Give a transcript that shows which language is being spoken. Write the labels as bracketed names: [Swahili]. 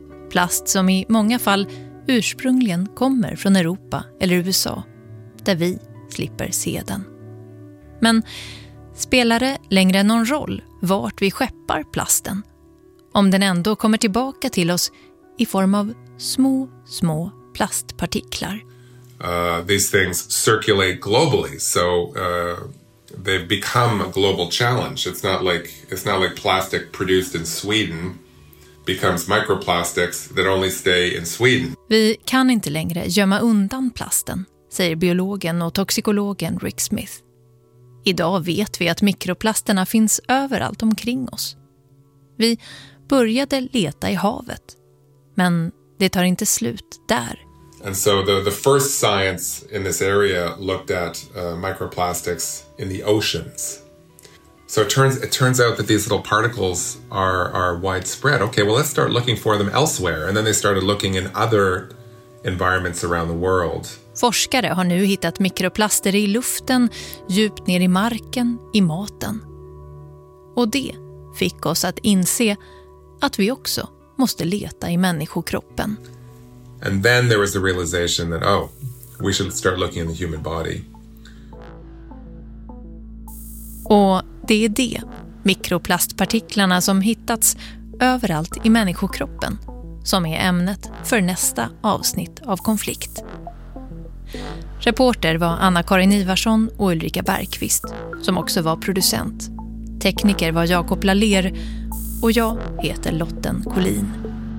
[Swedish] Plast som i många fall ursprungligen kommer från Europa eller USA, där vi slipper se den. Men spelar det längre någon roll vart vi skeppar plasten, om den ändå kommer tillbaka till oss i form av små, små plastpartiklar? [English] These things circulate globally, so they've become a global challenge. It's not like plastic produced in Sweden becomes microplastics that only stay in Sweden. [Swedish] Vi kan inte längre gömma undan plasten, säger biologen och toxikologen Rick Smith. Idag vet vi att mikroplasterna finns överallt omkring oss. Vi började leta i havet, men det tar inte slut där. [English] And so the first science in this area looked at microplastics in the oceans. So it turns out that these little particles are widespread. Okay, well, let's start looking for them elsewhere. And then they started looking in other environments around the world. [Swedish] Forskare har nu hittat mikroplaster i luften, djupt ner i marken, i maten. Och det fick oss att inse att vi också måste leta i människokroppen. [English] And then there was the realization that, oh, we should start looking in the human body. [Swedish] Och det är det, mikroplastpartiklarna som hittats överallt i människokroppen, som är ämnet för nästa avsnitt av Konflikt. Reporter var Anna-Karin Ivarsson och Ulrika Bergqvist, som också var producent. Tekniker var Jakob Laler och jag heter Lotten Collin.